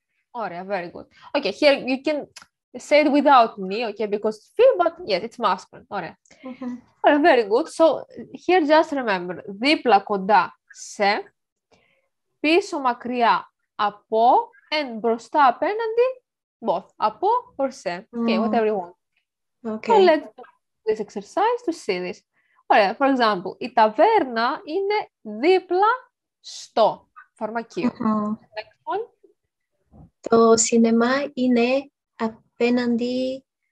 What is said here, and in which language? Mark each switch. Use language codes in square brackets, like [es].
[el] Ωραία, [en] very good. Okay, here you can say it without me, okay, because it's female, but yes, it's masculine. All right. Mm-hmm. All right, very good. So here, just remember, [el] δίπλα κοντά σε, πίσω μακριά από, [en] and [el] μπροστά απέναντι, [en] both, [el] από [en] or [el] σε. [en] Okay, mm. whatever you want. Okay. So let's do this exercise to see this. All right, for example, [el] η ταβέρνα είναι δίπλα στο φαρμακείο. Mm-hmm. [en] Next one. [el] Το σινεμά είναι απέναντι